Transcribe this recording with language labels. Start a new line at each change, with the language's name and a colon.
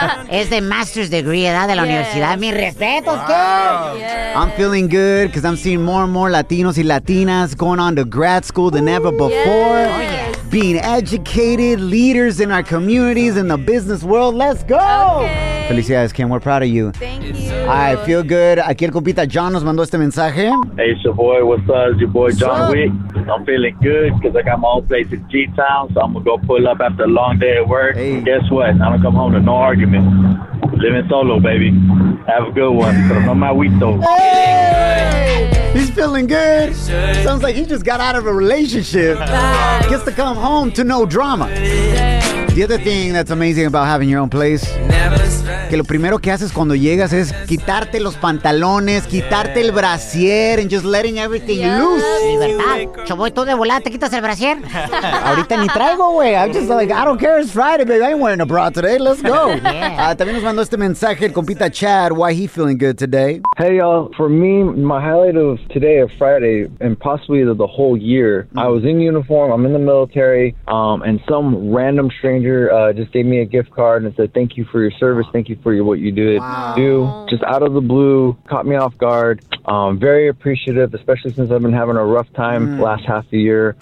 Spanish: Es de master's degree, ¿verdad? De la universidad. Mi respeto, Kim!
English: I'm feeling good because I'm seeing more and more Latinos y Latinas going on to grad school than ever before. Yes. Oh, yeah. Being educated, leaders in our communities, in the business world. Let's go! Okay.
Spanish: Felicidades, Kim.
English: We're proud of you. Thank you. I feel good.
Spanish: Aquí el compita John nos mandó este mensaje.
English: Hey, it's your boy. What's up? It's your boy, John Wick. I'm feeling good because I got my own place in G-Town, so I'm going to go pull up after a long day at work. Hey. Guess what? I'm going to come home to no argument. Living solo, baby. Have a good one.
Spanish: Pero no me agüito.
English: He's feeling good. Sounds like he just got out of a relationship. Gets to come home to no drama. The other thing that's amazing about having your own place,
Spanish: que lo primero que haces cuando llegas es quitarte los pantalones, quitarte el brasier,
English: and just letting everything loose.
Spanish: Libertad. Choboy, tú de volada te quitas el brasier. Ahorita ni traigo, güey.
English: I'm just like, I don't care, it's Friday, baby. I ain't wearing a bra today. Let's go. Yeah.
Spanish: También nos mandó este mensaje el compita Chad,
English: why he feeling good today. Hey, y'all. For me, my highlight of today of Friday, and possibly the whole year, I was in uniform, I'm in the military, and some random stranger just gave me a gift card and said thank you for your service, thank you for your, what you do. Wow. Just out of the blue, caught me off guard. Very appreciative, especially since I've been having a rough time last half the year.